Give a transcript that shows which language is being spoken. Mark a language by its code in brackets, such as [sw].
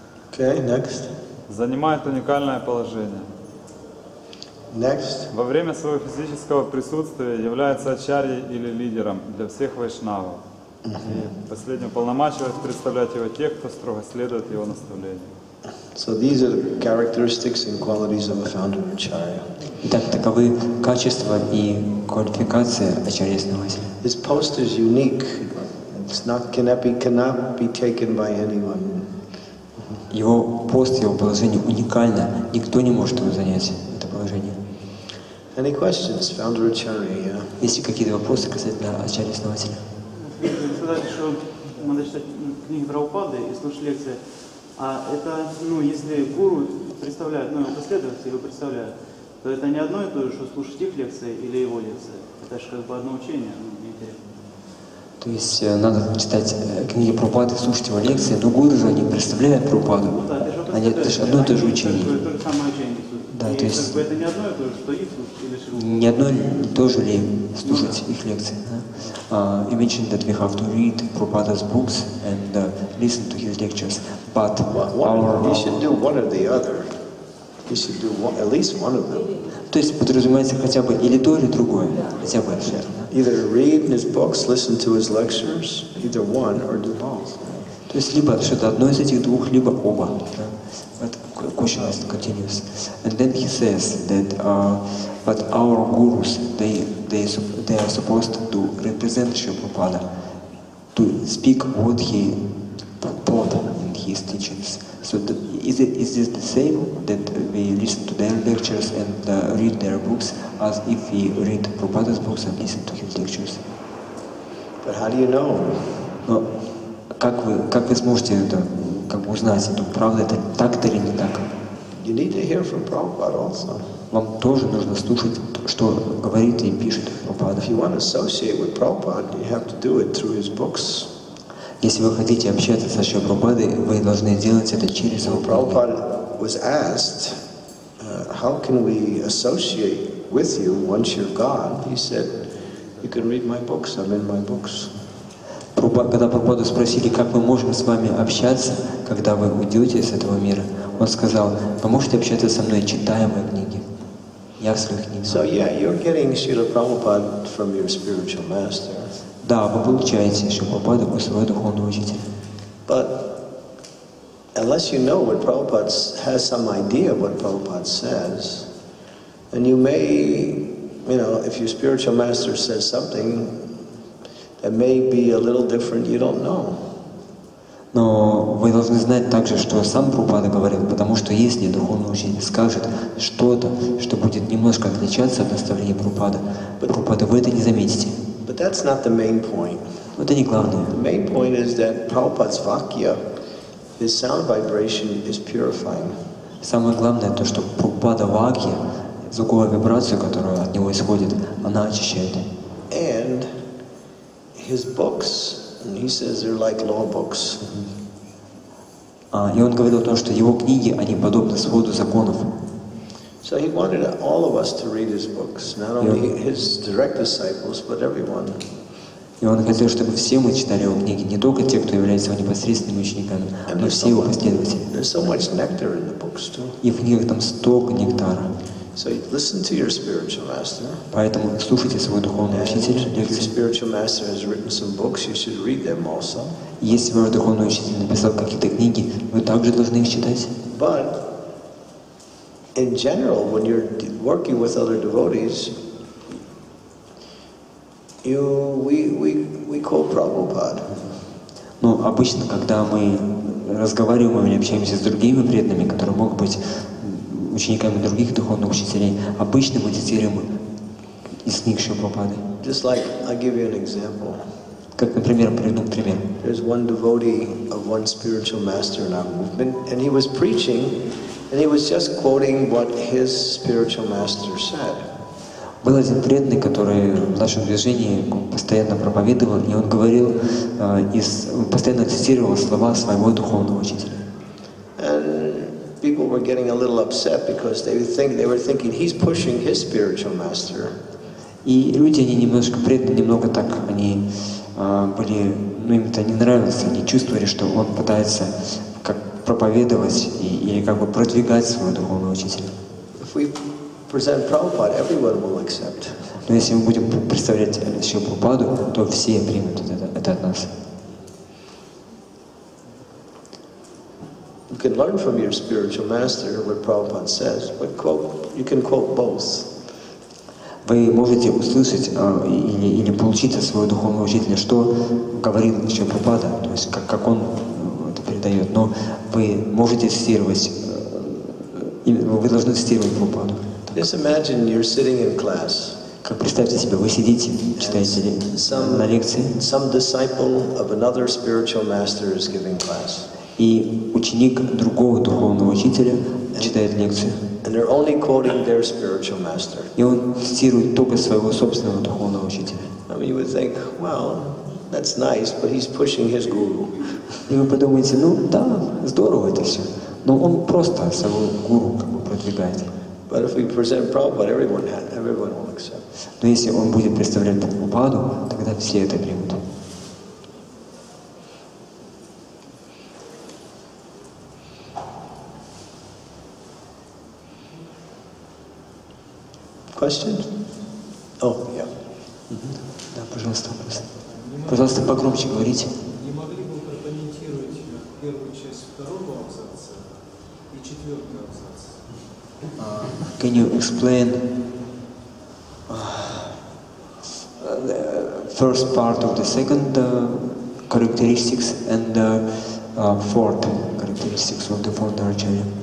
[en] Okay, next. [ru] Занимает уникальное положение. [en] Next. [ru] Во время своего физического присутствия является ачарьей или лидером для всех вайшнавов. И последний уполномачивает представлять его тех, кто строго следует его наставлениям. [en] So these are the characteristics and qualities of a founder acharya. [ru] Итак, таковы качества и квалификации ачарьи-основателя. [en] His post is unique. It's not cannot be taken by anyone. [ru] Его пост, его положение уникально. Никто не может его занять, это положение. [en] Any questions, founder acharya? Yeah. [ru] Есть ли какие-то вопросы касательно ачарьи-основателя? Вы сказали, что мы начали читать книги Прабхупады и слушать лекции. А это, ну, если гуру представляют, ну, его последователи представляют, то это не одно и то же, что слушать их лекции или его лекции. Это же как бы одно учение, ну, мне интересно. То есть надо читать книги Прабхупады, слушать его лекции, но гуру же они представляют Прабхупаду. Ну, да, это же одно и то же учение. То же самое учение. Да, и то есть... как бы это не одно и то же, что их слушать или что? Не одно и то же ли слушать их лекции, да? [en] You mentioned that we have to read Prabhupada's books and listen to his lectures, but at least one of them. [ru] То есть подразумевается хотя бы или то, или другое, хотя бы. [en] Either read his books, listen to his lectures, either one or do both. [ru] То есть либо что-то одно из этих двух, либо оба. [en] But question is continuous. And then he says that but our gurus, they are supposed to represent Śrīla Prabhupāda, to speak what he taught in his teachings. So is this the same, that we listen to their lectures and read their books as if we read Prabhupāda's books and listen to his lectures? But how do you know? [ru] Но как вы сможете это, как бы узнать, это правда, это так-то или не так? [en] You need to hear from Prabhupada also. [ru] Вам тоже нужно слушать, что говорит и пишет Прабхупада. [en] If you want to associate with Prabhupada, you have to do it through his books. [ru] Если вы хотите общаться с Шрилой Прабхупадой, вы должны делать это через его. [en] Prabhupada was asked, how can we associate with you once you're gone? He said, you can read my books, I'm in my books. [ru] Когда Прабхупаду спросили, как мы можем с вами общаться, когда вы уйдете из этого мира, он сказал, вы можете общаться со мной, читая мои книги. Я в своих книгах. [en] So yeah, you're getting Śrīla Prabhupāda from your spiritual master. [ru] Да, вы получаете Śrīla Prabhupāda у своего духовного учителя. [en] But a unless you know what Prabhupada has some idea of what Prabhupada says, then you may, you know, if your spiritual master says something that may be a little different, you don't know. [ru] Но вы должны знать также, что сам Прабхупада говорил, потому что если духовный учитель скажет что-то, что будет немножко отличаться от наставления Прабхупады, Прабхупада, вы это не заметите. [en] But that's not the main point. [ru] Но это не главное. [en] The main point is that Prabhupada's vakya, his sound vibration is purifying. [ru] Самое главное то, что Прабхупада вакья, звуковая вибрация, которая от него исходит, она очищает. [en] And his books. And he says they're like law books. [ru] И он говорил о том, что его книги, они подобны своду законов. [en] So he wanted all of us to read his books, not only his direct disciples, but everyone. [ru] И он хотел, чтобы все мы читали его книги, не только те, кто является его непосредственными учениками, но все его последователи. [en] There's so much nectar in the books too. [ru] И в книгах там столько нектара. [en] So listen to your spiritual master. [ru] Поэтому слушайте своего духовного учителя. [en] If your spiritual master has written some books, you should read them also. [ru] Если ваш духовный учитель написал какие-то книги, вы также должны их читать. [en] But in general, when you're working with other devotees, we call Prabhupada. [ru] Ну обычно, когда мы разговариваем или общаемся с другими преданными, которые могут быть учениками других духовных учителей, обычно мы цитируем из книг Шрилы Прабхупады. [en] Just like I'll give you an example. [ru] Как, например, приведу пример. [en] There's one devotee of one spiritual master in our movement, and he was preaching, and he was just quoting what his spiritual master said. [ru] Был один преданный, который в нашем движении постоянно проповедовал, и он говорил постоянно цитировал слова своего духовного учителя. [en] People were getting a little upset because they were thinking he's pushing his spiritual master. [ru] И люди они немножко преданы, немного так они были, ну им это не нравилось, они чувствовали, что он пытается как проповедовать или как бы продвигать своего духовного учителя. [en] If we present Prabhupada, everyone will accept. [ru] Но если мы будем представлять Шрилу Прабхупаду, то все примут это от нас. [en] You can learn from your spiritual master what Prabhupada says, but you can quote both. [ru] Вы можете услышать или получить от своего духовного учителя, что говорил Шрила Прабхупада, то есть как он это передает. Но вы можете цитировать, вы должны цитировать Прабхупаду. [en] Just imagine you're sitting in class. [ru] Как представьте себе, вы сидите, читаете на лекции. [en] Some disciple of another spiritual master is giving class. [ru] И ученик другого духовного учителя читает лекцию. [en] And they're only quoting their spiritual master. [ru] И он цитирует только своего собственного духовного учителя. [en] I mean, you would think, well, that's nice, but he's pushing his guru. [ru] И вы подумаете, ну да, здорово это все. Но он просто своего гуру как бы продвигает. [en] But if we present Prabhupada, everyone will accept. [ru] Но если он будет представлять Прабхупаду, тогда все это примут. [en] Question? Oh, yeah. [ru] Да, пожалуйста, пожалуйста. Пожалуйста, погромче говорите. Не могли бы вы прокомментировать первую часть второго абзаца и четвертый абзац? [en] Can you explain the first part of the second characteristics and the fourth characteristics of the fourth Acharya?